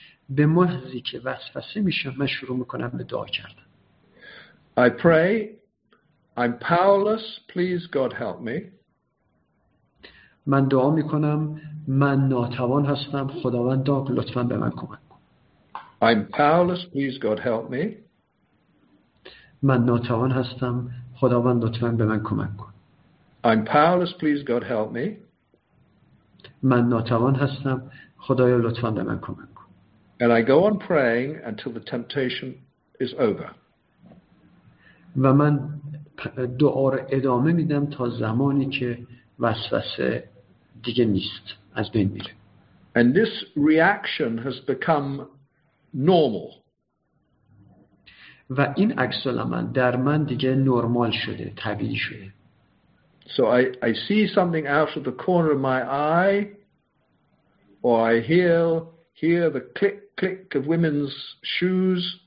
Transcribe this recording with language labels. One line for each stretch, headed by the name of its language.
Persian: به محضی که وسوسه میشم من شروع میکنم به دعا کردن.
English: I pray, I'm powerless, please God help me.
Persian: من دعا میکنم من ناتوان هستم خداوند لطفا به من کمک کن.
English: I'm powerless, please God help me.
Persian: من ناتوان هستم خداوند لطفا به من کمک کن.
English: I'm powerless, please God help me.
Persian: من ناتوان هستم خدایا لطفا به من کمک کن.
English: And I go on praying until the temptation is over.
Persian: و من دعا را ادامه میدم تا زمانی که وسوسه دیگه نیست از بین میره.
English: And this reaction has become normal.
Persian: و این عکس العمل در من دیگه نرمال شده، طبیعی شده.
English: So I see something out of the corner of my eye, or I hear the click click of women's shoes.